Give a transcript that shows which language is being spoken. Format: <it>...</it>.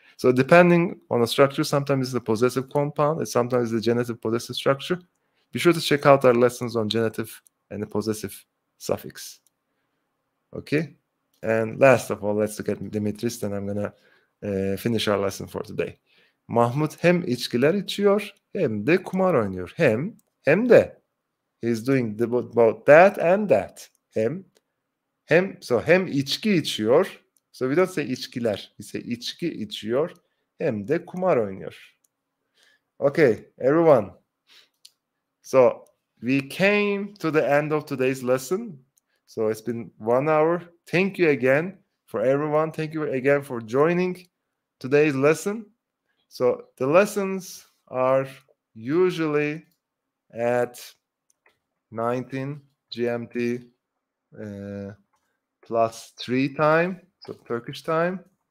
<en>So depending on the structure, sometimes it's a possessive compound. And sometimes it's a genitive possessive structure. Be sure to check out our lessons on genitive and the possessive suffix. Okay. And last of all, let's look at Dimitris. Then I'm going to finish our lesson for today.</en> <tr>Mahmut hem içkiler içiyor hem de kumar oynuyor.</tr> <en>Hem de. He's doing both that and that.</en> <tr>Hem içki içiyor.</tr> <en>So we don't say içkiler. We say</en> <tr>içki içiyor hem de kumar oynuyor.</tr> <en>Okay, everyone. So we came to the end of today's lesson. So it's been 1 hour. Thank you again for everyone. Thank you again for joining today's lesson. So the lessons are usually at 19 GMT plus 3 time, so Turkish time.</en>